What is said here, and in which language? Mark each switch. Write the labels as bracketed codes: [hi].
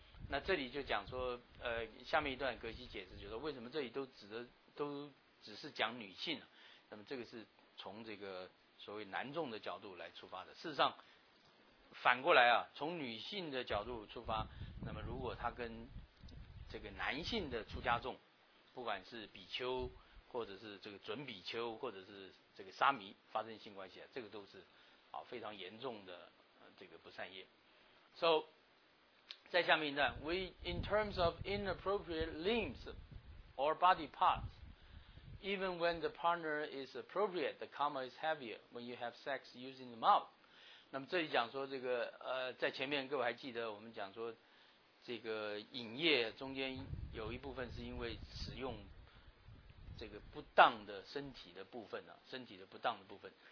[zh] 那这里就讲说下面一段格西解释，就是为什么这里都只是讲女性那么这个是从这个所谓男众的角度来出发的。事实上反过来从女性的角度出发，那么如果她跟这个男性的出家众，不管是比丘或者是这个准比丘或者是这个沙弥发生性关系这个都是非常严重的这个不善业。 [en] So [zh] 在下面一段 [en] We in terms of inappropriate limbs or body partsEven when the partner is appropriate, the karma is heavier when you have sex using the mouth. [zh] 那么这里讲说这个在前面各位还记得我们讲说这个饮业中间有一部分是因为使用这个不当的身体的部分身体的不当的部分。